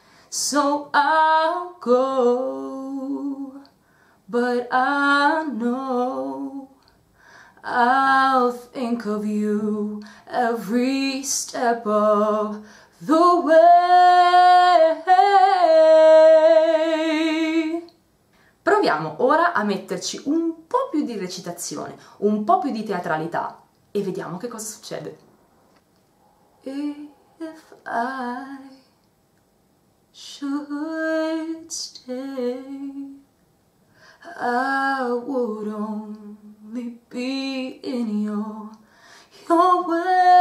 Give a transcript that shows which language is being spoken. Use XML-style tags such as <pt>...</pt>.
<en>So I'll go, but I know I'll think of you every step of the way.</en> <it>Proviamo ora a metterci un po' più di recitazione, un po' più di teatralità e vediamo che cosa succede.</it> <en>If I should stay, I would only be in your way.</en>